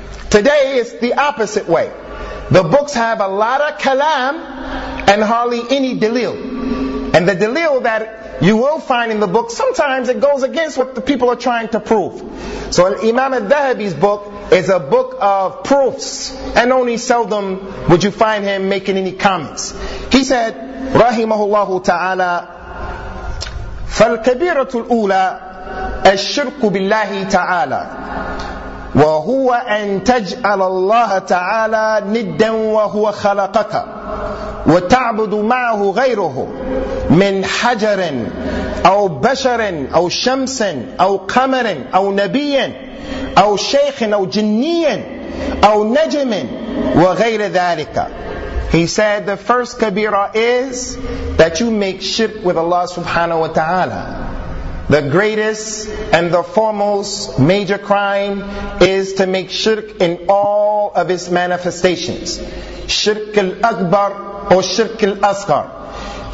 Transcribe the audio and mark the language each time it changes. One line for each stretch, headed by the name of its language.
English: Today, it's the opposite way. The books have a lot of kalam and hardly any dalil. And the dalil that you will find in the book, sometimes it goes against what the people are trying to prove. So Imam al-Dhahabi's book is a book of proofs, and only seldom would you find him making any comments. He said,
Arabic: rahimahullahu ta'ala, فالكبيرة الأولى الشرك بالله تعالى وهو أن تجعل الله تعالى ندا وهو خلقك وتعبد معه غيره من حجر أو بشر أو شمس أو قمر أو نبي أو شيخ أو جني أو نجم وغير ذلك.
English: He said the first kabira is that you make shirk with Allah subhanahu wa ta'ala. The greatest and the foremost major crime is to make shirk in all of its manifestations. Shirk al-akbar or shirk al-asghar.